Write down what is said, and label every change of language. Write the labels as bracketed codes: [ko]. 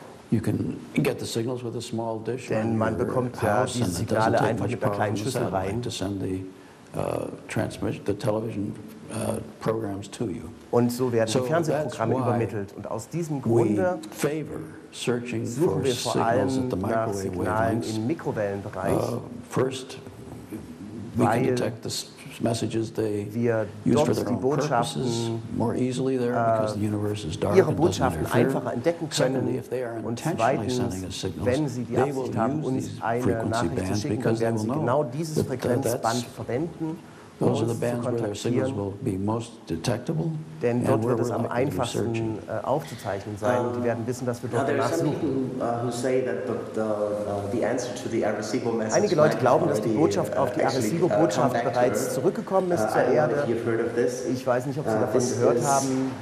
[en] You can get the signals with a small dish. [de] Denn man bekommt ja die Signale einfach mit einer kleinen Schüssel rein. [en] To send the transmission, the television programs to you. [de] Und so werden die Fernsehprogramme übermittelt. Und aus diesem Grunde suchen wir vor allem nach Signalen im Mikrowellenbereich. [en] First, we can detect the messages they use for their own purposes more easily there because the universe is dark and doesn't interfere. Secondly, if they are intentionally sending us signals, they will use these frequency bands because they will know that those are the bands where their signals will be most detectable. [de] Denn dort wird es am einfachsten aufzuzeichnen sein, und die werden wissen, dass wir dort danach suchen. Einige Leute glauben, dass die Botschaft auf die Arecibo-Botschaft bereits zurückgekommen ist zur Erde. Ich weiß nicht, ob Sie davon gehört haben.